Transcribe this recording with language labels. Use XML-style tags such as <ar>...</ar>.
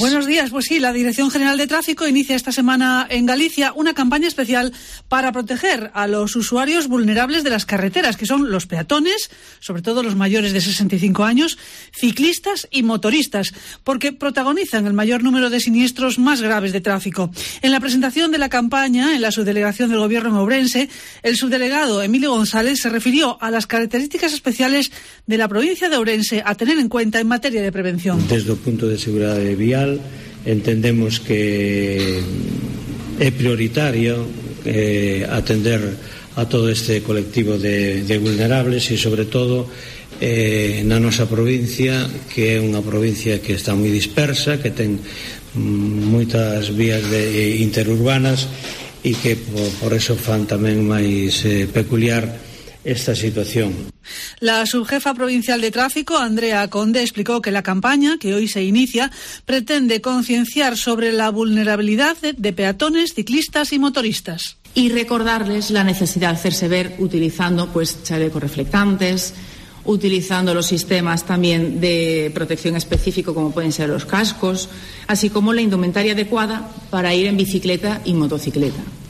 <es>Buenos días, pues sí, la Dirección General de Tráfico inicia esta semana en Galicia una campaña especial para proteger a los usuarios vulnerables de las carreteras, que son los peatones, sobre todo los mayores de 65 años, ciclistas y motoristas, porque protagonizan el mayor número de siniestros más graves de tráfico. En la presentación de la campaña en la subdelegación del Gobierno en Ourense, el subdelegado Emilio González se refirió a las características especiales de la provincia de Ourense a tener en cuenta en materia de prevención. Desde el punto de seguridad vial, entendemos que es prioritario atender a todo este colectivo de vulnerables y, sobre todo,</es> <gl>na nosa provincia, que é unha provincia que está moi dispersa, que ten moitas vías interurbanas e que por eso fan tamén máis peculiar esta situación.</gl> <es>La subjefa provincial de tráfico, Andrea Conde, explicó que la campaña que hoy se inicia pretende concienciar sobre la vulnerabilidad de peatones, ciclistas y motoristas. Y recordarles la necesidad de hacerse ver utilizando pues chalecos reflectantes, utilizando los sistemas también de protección específico como pueden ser los cascos, así como la indumentaria adecuada para ir en bicicleta y motocicleta.</es>